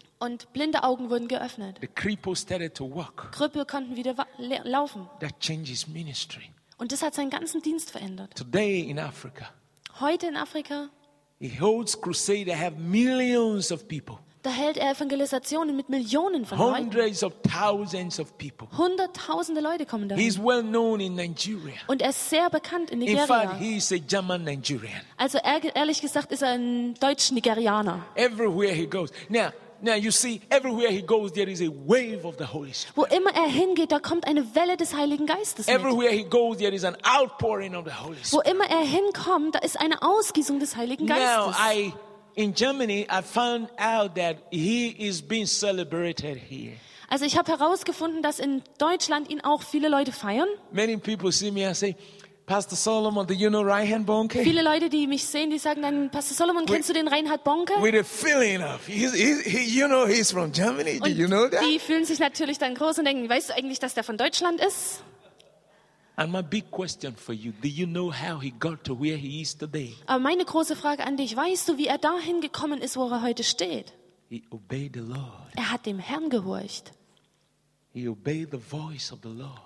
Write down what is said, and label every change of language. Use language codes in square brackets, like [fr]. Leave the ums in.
[de] Und blinde Augen wurden geöffnet. Krüppel konnten wieder laufen. [en] That changes ministry. [de] Und das hat seinen ganzen Dienst verändert. [en] Today in Africa, [de] Heute in Afrika. [en] He holds crusade, they have millions of people. [de] Da hält er Evangelisationen mit Millionen von Leuten. [en] Hundreds of thousands of people. [de] Hunderttausende Leute kommen da. [en] He's well known in Nigeria. [de] Und er ist sehr bekannt in Nigeria. [en] In fact, he a German Nigerian. [de] Also er, ehrlich gesagt ist er ein deutsch-nigerianer. [en] Everywhere he goes. Now, now you see, everywhere he goes, there is a wave of the Holy Spirit. [de] Wo immer yeah. er hingeht, da kommt eine Welle des Heiligen Geistes. Mit. [en] Everywhere he goes, there is an outpouring of the Holy Spirit. [de] Wo immer er hinkommt, da ist eine Ausgießung des Heiligen now Geistes. [en] I in Germany I found out that he is being celebrated here. [de] Also ich habe herausgefunden, dass in Deutschland ihn auch viele Leute feiern. [en] Many people see me and say, Pastor Solomon, do you know Reinhard Bonke? [de] Viele Leute, die mich sehen, die sagen dann, Pastor Solomon, kennst du den Reinhard Bonke? [en] With a feeling of, he's, he's, he, you know he's from Germany. Und do you know that? Die [de] fühlen sich natürlich dann groß und denken, weißt du eigentlich, dass der von Deutschland ist? [en] And my big question for you, do you know how he got to where he is today? [de] Aber meine große Frage an dich, weißt du, wie er dahin gekommen ist, wo er heute steht? [en] He obeyed the Lord. [de] Er hat dem Herrn gehorcht. [en] He obeyed the voice of the Lord.